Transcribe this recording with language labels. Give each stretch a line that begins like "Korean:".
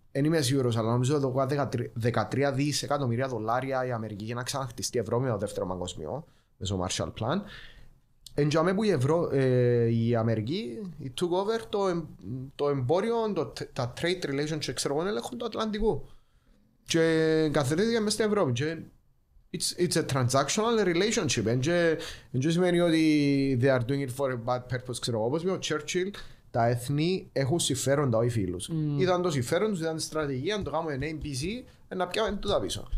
Greek: δεν είμαι σίγουρος, αλλά νομίζω ότι έδωκα 13 δισεκατομμύρια δολάρια η Αμερική για να ξαναχτιστεί η Ευρώ με το δεύτερο παγκόσμιο, με το Marshall Plan. Εντζάμε που η Αμερική
English: took over
Greek: το εμπόριο, τα
English: trade relations,
Greek: ξέρω εγώ, έλεγχουν το Ατλαντικού. Και καθορίστηκε μέσα στην Ευρώπη.
English: It's a transactional relationship.
Greek: Δεν σημαίνει ότι
English: they are doing it for a bad purpose,
Greek: ξέρω εγώ. Όπως είπε ο Churchill, τα εθνή έχουν συμφέροντα, όχι φίλους. Ήταν το συμφέρον τους, ήταν τη στρατηγία, να το κάνουμε ένα NPC, να πιάμε τούτα πίσω.